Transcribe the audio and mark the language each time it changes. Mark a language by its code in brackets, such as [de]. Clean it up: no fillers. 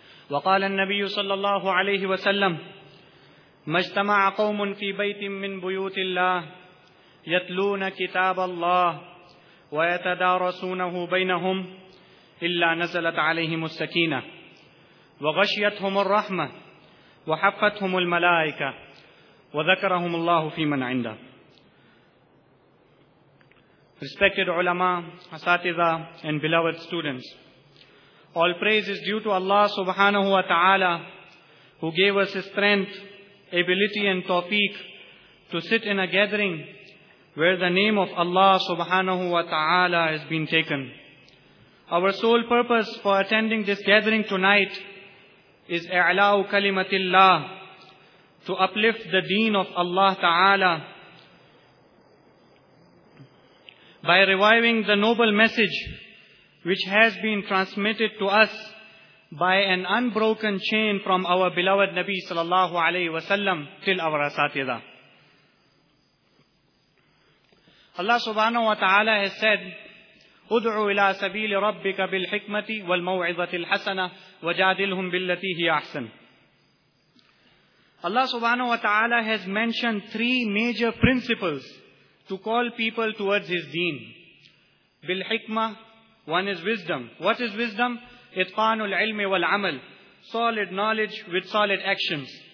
[ar] وقال النبي صلى الله عليه وسلم: ما اجتمع قوم في بيت من بيوت الله يتلون كتاب الله ويتدارسونه بينهم إلا نزلت عليهم السكينة وغشيتهم الرحمة وحفتهم الملائكة وذكرهم الله في من عنده. [en] Respected ulama, asatiza, and beloved students, all praise is due to Allah subhanahu wa ta'ala, who gave us strength, ability and tawfiq to sit in a gathering where the name of Allah subhanahu wa ta'ala has been taken. Our sole purpose for attending this gathering tonight is [ar] i'la'u kalimatillah, [en] to uplift the deen of Allah ta'ala by reviving the noble message which has been transmitted to us by an unbroken chain from our beloved Nabi sallallahu alayhi wa sallam till our asatidah. Allah subhanahu wa ta'ala has said, [ar] ادعو الى سبيل ربك بالحكمة والموعظة الحسنة وجادلهم بالتي هي أحسن. [en] Allah subhanahu wa ta'ala has mentioned three major principles to call people towards his deen. Bil hikmah, one is wisdom. What is wisdom? [ar] Itqanul ilmi wal amal, [en] solid knowledge with solid actions.